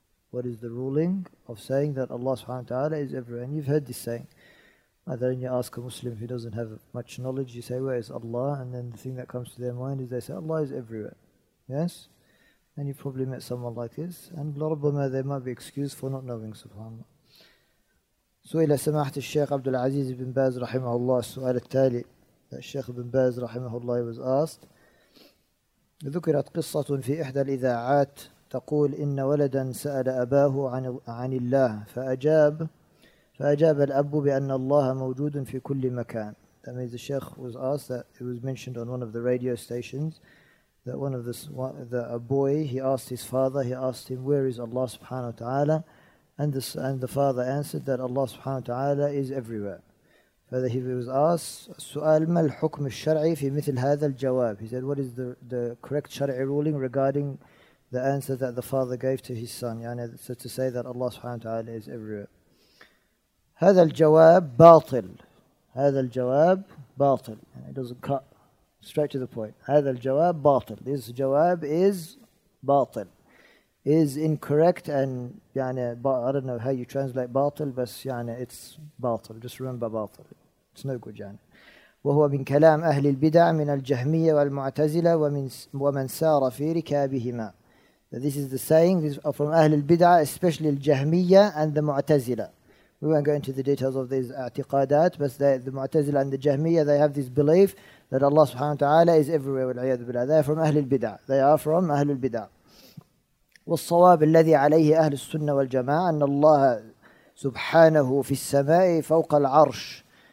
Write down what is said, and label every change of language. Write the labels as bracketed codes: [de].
[en] What is the ruling of saying that Allah subhanahu wa ta'ala is everywhere? And you've heard this saying. And then you ask a Muslim who doesn't have much knowledge, you say, where is Allah? And then the thing that comes to their mind is they say, Allah is everywhere. Yes? And you've probably met someone like this. And [ar] لربما [en] they might be excused for not knowing, subhanAllah. [ar] سئل سماحة الشيخ عبد العزيز بن باز رحمه الله السؤال التالي. الشيخ بن باز رحمه الله [en] was asked. [ar] ذكرت قصة في إحدى الإذاعات تقول إن ولدا سأل أباه عن الله فأجاب الأب بأن الله موجود في كل مكان. [en] That means the Sheikh was asked, that it was mentioned on one of the radio stations, that a boy, he asked his father, he asked him, where is Allah subhanahu wa ta'ala? And the father answered that Allah subhanahu wa ta'ala is everywhere. Further, he was asked, [ar] سؤال ما الحكم الشرعي في مثل هذا الجواب? [en] He said, what is the correct shari'i ruling regarding the answer that the father gave to his son? يعني, so to say that Allah subhanahu wa ta'ala is everywhere. [ar] هذا الجواب باطل. هذا الجواب باطل. [en] And it doesn't cut straight to the point. [ar] هذا الجواب باطل. [en] This جواب is باطل. Is incorrect and يعني, I don't know how you translate باطل, but يعني, it's باطل. Just remember باطل. It's no good. يعني. [ar] وهو من كلام أهل البدع من الجهمية والمعتزلة ومن سار في ركابهما. [en] This is the saying from أهل البدع, especially الجهمية and the معتزلة. We won't go into the details of these اعتقادات, but the Mu'tazila and the Jahmiyyah, they have this belief that Allah subhanahu wa ta'ala is everywhere, [ar] وَالْعِيَذُ بِاللَّهِ. [en] They are from [ar] أَهْلِ الْبِدَعِ. They are from أَهْلُ الْبِدَعِ. وَالصَّوَابِ الَّذِي عَلَيْهِ أَهْلُ السُّنَّةِ وَالْجَمَاعَةِ أَنَّ اللَّهَ سُبْحَانَهُ فِي السَّمَاءِ فَوْقَ الْعَرْشِ.